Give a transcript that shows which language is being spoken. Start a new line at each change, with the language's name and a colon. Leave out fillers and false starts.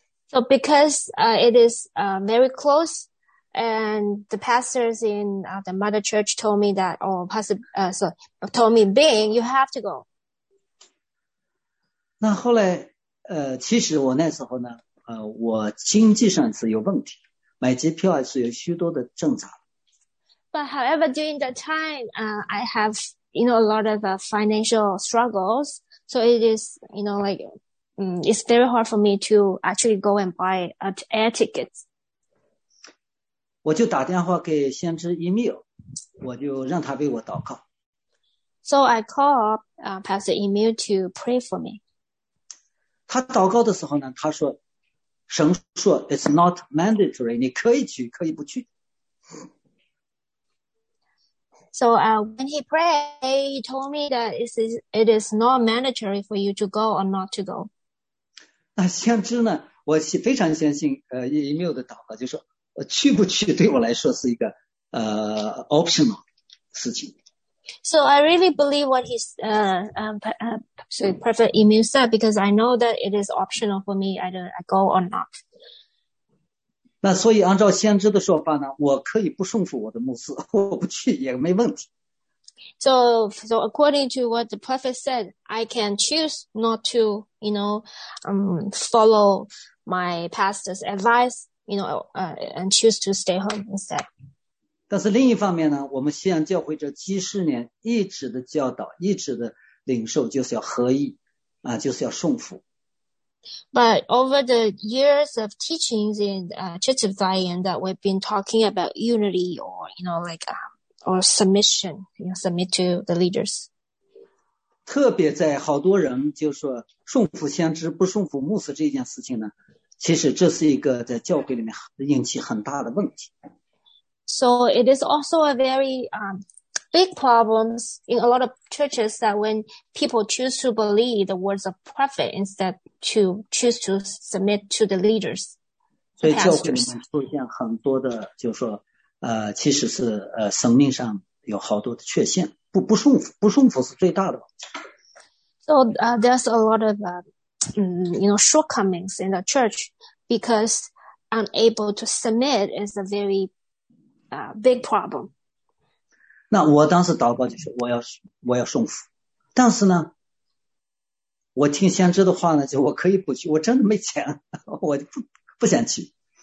English: So because it is very close. And the pastors in the mother church told me that, told me, Bing, you have to go.
Chinese: 那后来，其实我那时候呢，我经济上是有问题，买机票还是有许多的挣扎。
English: But however, during that time, I have, you know, a lot of financial struggles. So it is, you know, like, it's very hard for me to actually go and buy air tickets.
Chinese: 我就打电话给先知 Emil， 我就让他为我祷告。
English: So I called Pastor Emil to pray for me.
Chinese: 他祷告的时候呢，他说：“神说 ，
English: It's not mandatory，
Chinese: 你可以去，可以不去。”
English: So when he prayed, he told me that it is not mandatory for you to go or not to go.
Chinese: 那先知呢，我非常相信Emil 的祷告，就说。去不去对我来说是一个optional 事情。
English: So I really believe what he's Prophet Emil said because I know that it is optional for me either I go or not.
Chinese: 那所以按照先知的说法呢，我可以不顺服我的牧师，我不去也没问题。
English: So according to what the prophet said, I can choose not to, you know, follow my pastor's advice. You know, and choose to stay home instead.
Chinese: 但是另一方面呢，我们西安教会这几十年一直的教导，一直的领受，就是要合一，就是要顺服。
English: But over the years of teachings in Church of Zion that we've been talking about unity or you know like or submission, you know, submit to the leaders.
Chinese: 特别在好多人就说顺服先知不顺服牧师这件事情呢。其实这是一个在教会里面引起很大的问题。
English: So it is also a very big problem in a lot of churches that when people choose to believe the words of prophet instead to choose to submit to the leaders.
Chinese: 所以教会里面出现很多的，就是说，其实是生命上有好多的缺陷，不顺服是最大的。
English: So there's a lot of. You know, shortcomings in the church because unable to submit is a very big problem.
Chinese: 那我当时祷告就是我要顺服，但是呢，我听先知的话呢，就我可以不去，我真的没钱，我就不想去。